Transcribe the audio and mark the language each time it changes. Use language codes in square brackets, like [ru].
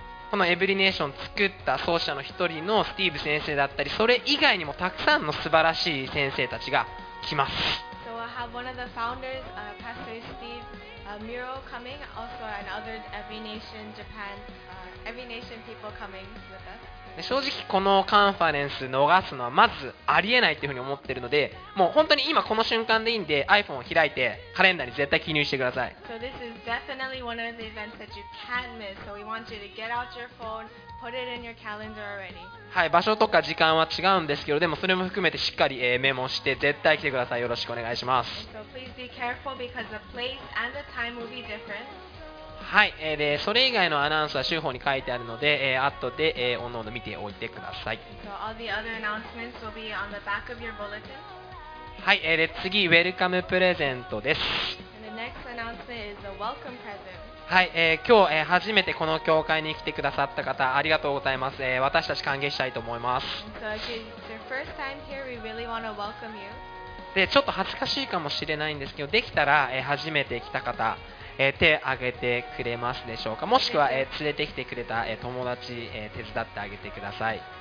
[ja] このエブリネーションを作った創始者の一人のスティーブ先生だったり、それ以外にもたくさんの素晴らしい先生たちが来ます。 [en] So we'll have one of the founders, Pastor Steve Muro coming, also and others Every Nation JapanEvery nation people coming with us. [ja] 正直このカンファレンス逃すのはまずありえないというふうに思っているので、もう本当に今この瞬間でいいんで iPhone を開いてカレンダーに絶対記入してください。 [en] So this is definitely one of the events that you can't miss. So we want you to get out your phone, put it in your calendar already. [ja] はい、場所とか時間は違うんですけど、でもそれも含めてしっかり、メモして絶対来てください。よろしくお願いします。 [en] So please be careful because the place and the time will be different. [ja] はい、でそれ以外のアナウンスは週報に書いてあるので、後で、おのおの見ておいてください。 [en] So all the other announcements will be on the back of your bulletin. [ja] はい、で次ウェルカムプレゼントです。 [en] And the next announcement is the welcome present. [ja] はい、今日、初めてこの教会に来てくださった方ありがとうございます。私たち歓迎したいと思います。 [en] So if it's your first time here, we really want to welcome you. [ja] でちょっと恥ずかしいかもしれないんですけど、できたら、初めて来た方手を挙げてくれますでしょうか。もしくは連れてきてくれた友達手伝ってあげてください。